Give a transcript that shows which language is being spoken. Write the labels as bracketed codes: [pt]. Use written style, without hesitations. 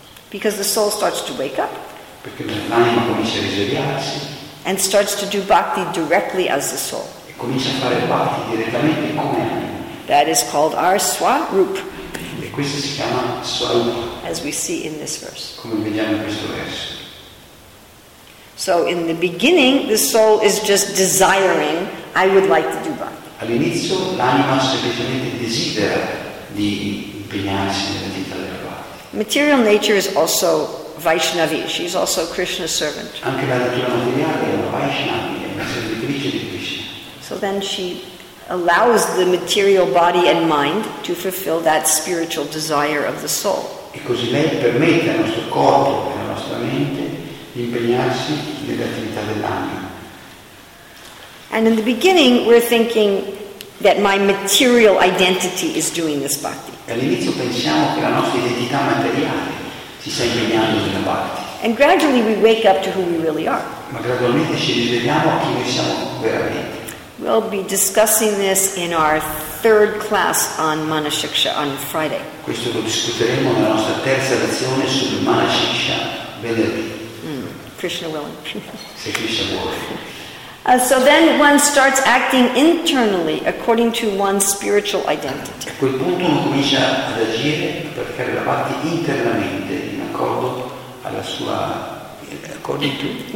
[en] Because the soul starts to wake up. [it] Perché l'anima comincia a risvegliarsi. [en] And starts to do bhakti directly as the soul. [it] E comincia a fare bhakti direttamente come anima. [en] That is called our swarup. [it] E questo si chiama swarupa. [en] As we see in this verse. [it] Come vediamo in questo verso. [en] So in the beginning, the soul is just desiring, I would like to do bhakti. [it] All'inizio l'anima semplicemente desidera di impegnarsi nella vita della bhakti. [en] Material nature is also Vaishnavi. She's also Krishna's servant. [it] Anche la natura materiale è una Vaishnavi, è una servitrice di Krishna. [en] So then she allows the material body and mind to fulfill that spiritual desire of the soul. [it] E così lei permette al nostro corpo e alla nostra mente di impegnarsi nelle attività dell'anima. [en] And in the beginning we're thinking that my material identity is doing this bhakti. [it] All'inizio pensiamo che la nostra identità materiale si sta impegnando nella bhakti. [en] And gradually we wake up to who we really are. [it] Ma gradualmente ci risvegliamo a chi noi siamo veramente. [en] We'll be discussing this in our third class on Manashiksha on Friday. [it] Questo lo discuteremo nella nostra terza lezione sul Manashiksha venerdì. [en] Krishna willing. [it] Se Krishna vuole. [en] So then one starts acting internally according to one's spiritual identity. [it] A quel punto uno comincia ad agire per fare la parte internamente in accordo alla sua [en] according to